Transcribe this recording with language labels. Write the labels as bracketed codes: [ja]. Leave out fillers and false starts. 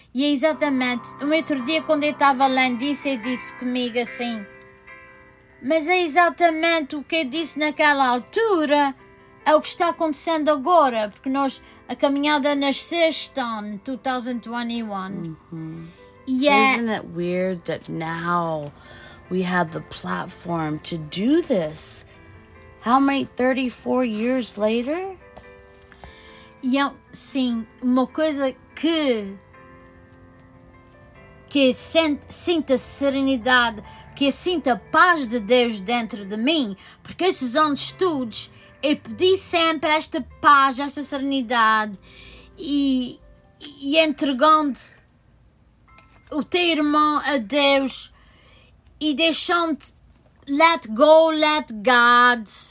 [pt] E é exatamente um outro dia quando eu estava lá, disse, ele disse comigo assim: mas é exatamente o que eu disse naquela altura, é o que está acontecendo agora, porque nós, a caminhada nasceu este ano, 2021. Mm-hmm. [en] Isn't it weird that now we have the platform to do this? How many, 34 years later? [pt] Yeah, sim, uma coisa que sinto a serenidade, que eu sinto a paz de Deus dentro de mim, porque esses anos todos eu pedi sempre esta paz, esta serenidade, e entregando o teu irmão a Deus e deixando [en] let go, let God.